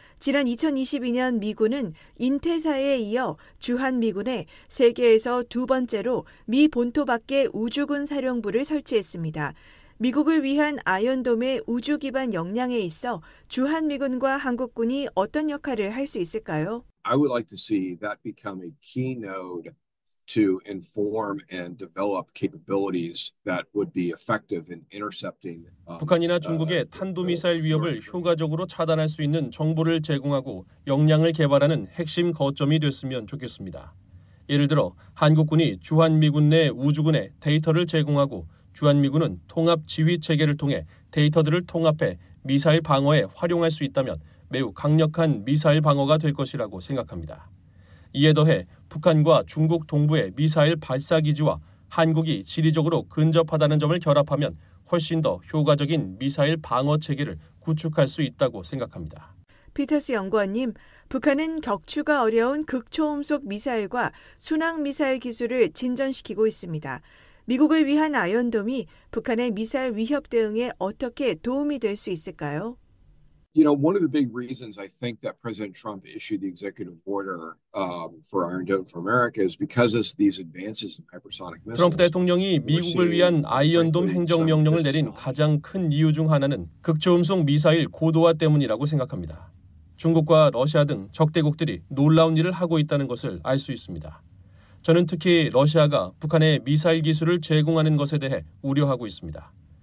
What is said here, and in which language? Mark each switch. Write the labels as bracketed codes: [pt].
[ko] 지난 2022년 미군은 인태사에 이어 주한미군에 세계에서 두 번째로 미 본토 밖에 우주군 사령부를 설치했습니다. 미국을 위한 아이언돔의 우주 기반 역량에 있어 주한미군과 한국군이 어떤 역할을 할 수 있을까요? [en] I would like to see that become a key node to inform and develop capabilities that would be effective in intercepting [ko] 북한이나 중국의 탄도미사일 위협을 효과적으로 차단할 수 있는 정보를 제공하고 역량을 개발하는 핵심 거점이 됐으면 좋겠습니다. 예를 들어 한국군이 주한미군 내 우주군에 데이터를 제공하고 주한미군은 통합 지휘 체계를 통해 데이터들을 통합해 미사일 방어에 활용할 수 있다면 매우 강력한 미사일 방어가 될 것이라고 생각합니다. 이에 더해 북한과 중국 동부의 미사일 발사 기지와 한국이 지리적으로 근접하다는 점을 결합하면 훨씬 더 효과적인 미사일 방어 체계를 구축할 수 있다고 생각합니다. 피터스 연구원님, 북한은 격추가 어려운 극초음속 미사일과 순항 미사일 기술을 진전시키고 있습니다. 미국을 위한 아이언돔이 북한의 미사일 위협 대응에 어떻게 도움이 될 수 있을까요? [en] You know, one of the big reasons I think that President Trump issued the executive order for Iron Dome for America is because of these advances in hypersonic missiles. [ko] 트럼프 대통령이 미국을 위한 아이언돔 행정 명령을 내린 가장 큰 이유 중 하나는 극초음속 미사일 고도화 때문이라고 생각합니다. 중국과 러시아 등 적대국들이 놀라운 일을 하고 있다는 것을 알 수 있습니다. 저는 특히 러시아가 북한에 미사일 기술을 제공하는 것에 대해 우려하고 있습니다.